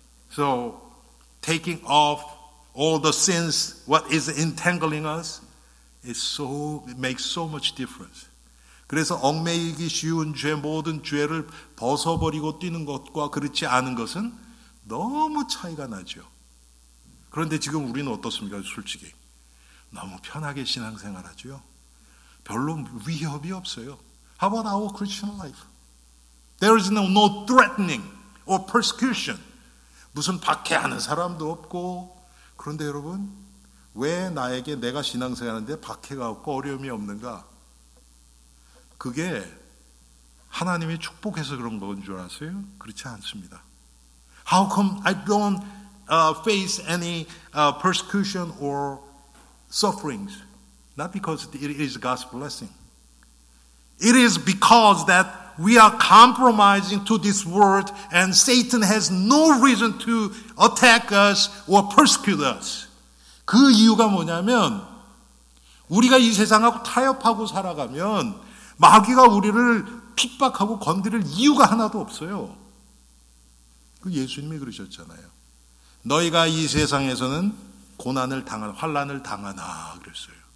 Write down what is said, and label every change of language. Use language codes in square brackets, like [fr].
[en] So, taking off all the sins, what is entangling us, it makes so much difference. [ko] 그래서 얽매이기 쉬운 죄, 모든 죄를 벗어버리고 뛰는 것과 그렇지 않은 것은 너무 차이가 나죠. 그런데 지금 우리는 어떻습니까? 솔직히 너무 편하게 신앙생활 하죠. 별로 위협이 없어요. [en] How about our Christian life? There is no threatening or persecution. [ko] 무슨 박해하는 사람도 없고. 그런데 여러분, 왜 나에게 내가 신앙생활하는데 박해가 없고 어려움이 없는가? 그게 하나님이 축복해서 그런 건 줄 아세요? 그렇지 않습니다. [en] How come I don't face any persecution or sufferings? Not because it is God's blessing. It is because that we are compromising to this world and Satan has no reason to attack us or persecute us. [ko] 그 이유가 뭐냐면 우리가 이 세상하고 타협하고 살아가면 마귀가 우리를 핍박하고 건드릴 이유가 하나도 없어요. 예수님이 그러셨잖아요. 너희가 이 세상에서는 고난을 당한, 환난을 당하나 그랬어요.